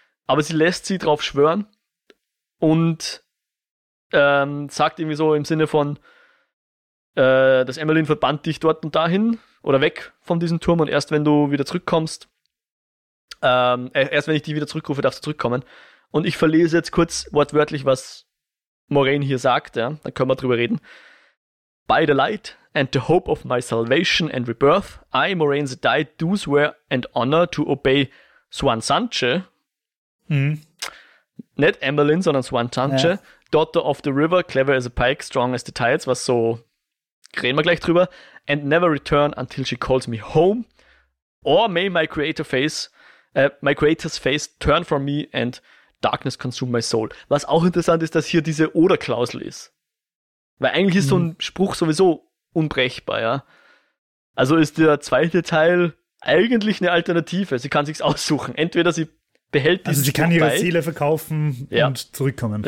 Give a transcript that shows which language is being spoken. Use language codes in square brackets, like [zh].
[de] Aber sie lässt sie drauf schwören und sagt irgendwie so im Sinne von, dass Emmeline verbannt dich dort und dahin oder weg von diesem Turm und erst wenn du wieder zurückkommst, erst wenn ich die wieder zurückrufe, darfst du zurückkommen. Und ich verlese jetzt kurz wortwörtlich, was Moraine hier sagt, ja, dann können wir drüber reden. [en] By the light and the hope of my salvation and rebirth, I, Moraine Zedai, do swear and honor to obey Swan Sanche. [de] Nicht Emmeline, sondern Swan Sanche, ja. [en] Daughter of the river, clever as a pike, strong as the tides, [de] was so, reden wir gleich drüber, [en] and never return until she calls me home, or may my creator's face turn from me and darkness consume my soul. [de] Was auch interessant ist, dass hier diese Oder-Klausel ist. Weil eigentlich ist so ein Spruch sowieso unbrechbar, ja. Also ist der zweite Teil eigentlich eine Alternative. Sie kann sich's aussuchen. Entweder sie behält diesen Spruch bei. Also sie kann ihre Seele verkaufen und zurückkommen.